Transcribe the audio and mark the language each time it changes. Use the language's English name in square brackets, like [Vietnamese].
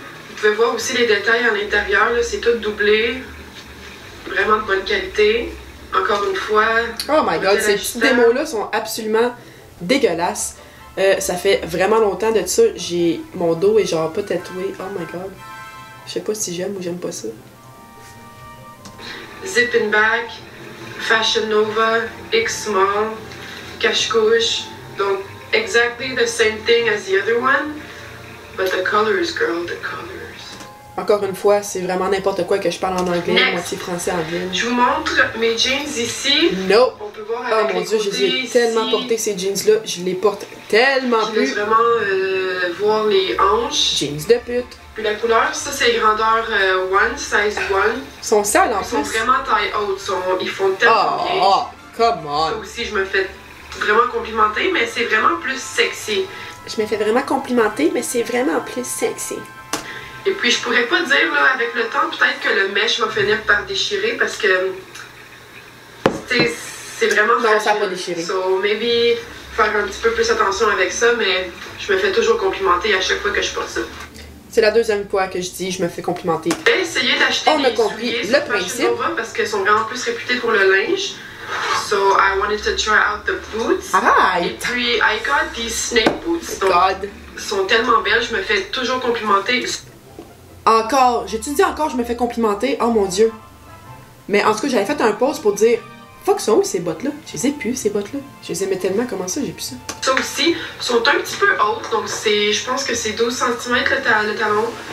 [French] Vous pouvez voir aussi les détails à l'intérieur, là, c'est tout doublé, vraiment de bonne qualité, encore une fois. Oh my god, ces démos-là sont absolument dégueulasses, ça fait vraiment longtemps de ça, j'ai mon dos est genre pas tatoué, [English] oh my god, [French] je sais pas si j'aime ou j'aime pas ça. [English] Zip in back, Fashion Nova, X small, [French] cache-couche, donc [English] exactly the same thing as the other one, but the colors, girl, the colors. [French] Encore une fois, c'est vraiment n'importe quoi que je parle en anglais, [English] next, [French] moitié français en ville. Je vous montre mes jeans ici. [English] No! [French] On peut voir avec mon Dieu, je les ai tellement portés, ces jeans-là. Je les porte tellement plus. Je veux vraiment voir les hanches. Jeans de pute. Puis la couleur, ça c'est grandeur 1, [English] size 1. [French] Ils sont sales en plus. Ils sont vraiment taille haute. Ils font tellement bien. [English] Oh, come on! [French] Ça aussi, je me fais vraiment complimenter, mais c'est vraiment plus sexy. Je me fais vraiment complimenter, mais c'est vraiment plus sexy. Et puis, je pourrais pas dire, là, avec le temps, peut-être que le mèche va finir par déchirer parce que. C'est vraiment fragile. Non, ça va pas déchirer. So, maybe faire un petit peu plus attention avec ça, mais je me fais toujours complimenter à chaque fois que je porte ça. C'est la deuxième fois que je dis je me fais complimenter. J'ai essayé d'acheter des souliers sur Fashion Nova parce qu'elles sont vraiment plus réputées pour le linge. [English] So, I wanted to try out the boots. Right. [French] Et puis, [English] I got these snake boots. [French] Donc, God. Elles sont tellement belles, je me fais toujours complimenter. Encore, j'ai-tu dit encore je me fais complimenter? Oh mon dieu. Mais en tout cas, j'avais fait un pause pour dire fuck, sont où ces bottes-là? Je les ai plus, ces bottes-là. Je les aimais tellement, comment ça j'ai plus ça? Ça aussi, sont un petit peu hautes, donc je pense que c'est 12 cm le talon.